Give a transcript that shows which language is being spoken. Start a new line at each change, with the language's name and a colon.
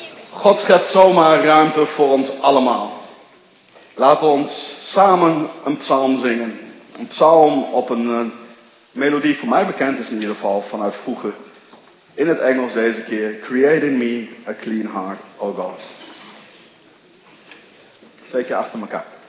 Dutch: God schept zomaar ruimte voor ons allemaal. Laat ons samen een psalm zingen. Een psalm op een melodie, voor mij bekend is in ieder geval, vanuit vroeger. In het Engels deze keer.
English: Create in me a clean heart, O God.
Dutch: Twee keer achter elkaar.